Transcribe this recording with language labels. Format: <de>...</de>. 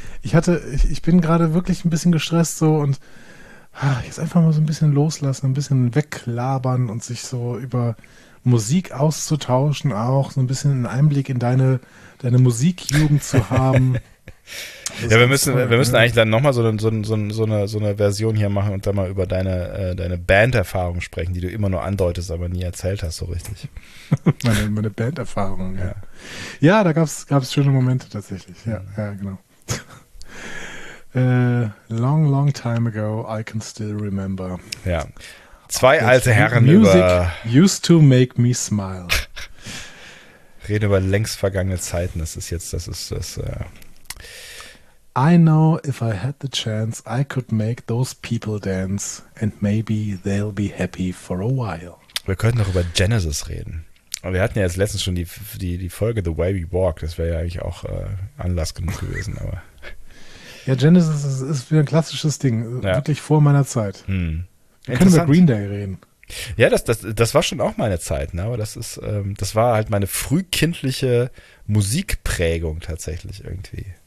<de>Ich bin gerade wirklich ein bisschen gestresst so und jetzt einfach mal so ein bisschen loslassen, ein bisschen weglabern und sich so über Musik auszutauschen, auch so ein bisschen einen Einblick in deine Musikjugend zu haben. Ja, wir müssen eigentlich dann nochmal so eine Version hier machen und dann mal über deine Band-Erfahrung sprechen, die du immer nur andeutest, aber nie erzählt hast so richtig. Meine Band-Erfahrung, ja. Ja, da gab's schöne Momente tatsächlich, ja, genau.</de> <en>Long, long time ago, I can still remember.</en> <de>Ja, zwei alte Herren</de> <en>Music</en> <de>über...</de> <en>Music used to make me smile.</en> <de>Reden über längst vergangene Zeiten, das ist...</de> <en>I know if I had the chance, I could make those people dance and maybe they'll be happy for a while.</en> <de>Wir könnten noch über Genesis reden. Und wir hatten ja jetzt letztens schon die Folge The Way We Walk. Das wäre ja eigentlich auch Anlass genug gewesen. Aber. Ja, Genesis ist wieder ein klassisches Ding. Ja. Wirklich vor meiner Zeit. Hm. Wir können über Green Day reden. Ja, das war schon auch meine Zeit. Ne? Aber das ist das war halt meine frühkindliche Musikprägung tatsächlich irgendwie.</de>